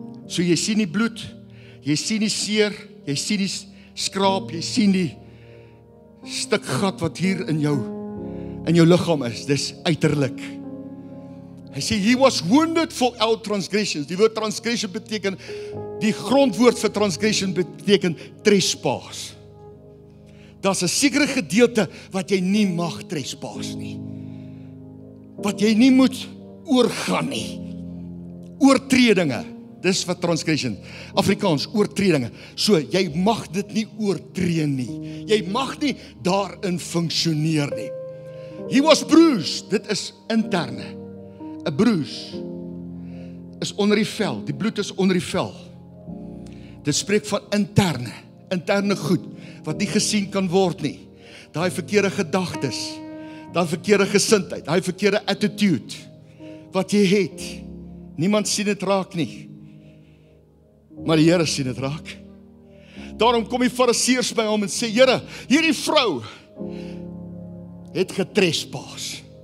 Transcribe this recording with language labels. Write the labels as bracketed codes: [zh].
[af] So jy sien die bloed, jy sien die seer, jy sien die skraap, jy sien die stuk gat wat hier in jou liggaam is. Dis uiterlik. Hy sê, [en] he was wounded for our transgressions. [af] Die woord transgression beteken, die grondwoord vir transgression beteken trespass. Daar's 'n sekere gedeelte wat jy nie mag trespass nie. Wat jy nie moet oorgaan nie. Oortredinge. Dis wat transgression. Afrikaans, oortredinge. So, jy mag dit nie oortree nie. Jy mag nie daarin funksioneer nie. [en] He was bruised. [af] Dit is interne. [en] A bruise [af] is onder die vel. Die bloed is onder die vel. Dit spreek van interne. Interne goed. Wat nie gesien kan word nie. Daai verkeerde gedagtes. Daai verkeerde gesindheid. Daai verkeerde attitude. Wat jy het. Niemand sien dit raak nie. Maar die Here sien dit raak. Daarom kom die fariseërs by hom en sê, Here, hierdie vrou het getrespas.